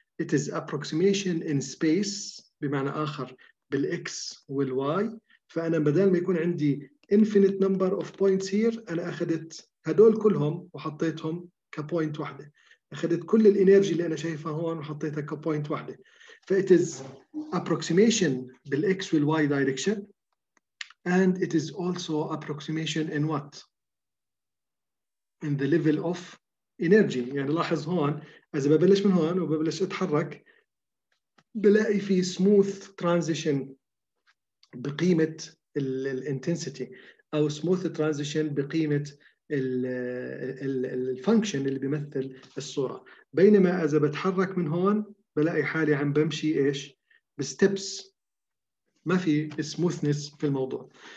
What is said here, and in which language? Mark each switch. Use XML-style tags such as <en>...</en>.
<en>It is approximation in space</en> <ar>بمعنى آخر بالx والy. فأنا بدل ما يكون عندي</ar> <en>infinite number of points here</en> <ar>أنا أخذت هدول كلهم وحطيتهم كpoint واحدة, أخذت كل الإنرجي اللي أنا شايفها هون وحطيتها كpoint واحدة.</ar> <en>فIt is approximation بالx والy direction and it is also approximation in what? In the level of energy.</en> <ar>يعني لاحظ هون إذا ببلش من هون وببلش أتحرك بلاقي في smooth transition بقيمة الـ intensity أو smooth transition بقيمة الـ function اللي بيمثل الصورة, بينما إذا بتحرك من هون بلاقي حالي عم بمشي إيش بستبس, ما في smoothness في الموضوع.</ar>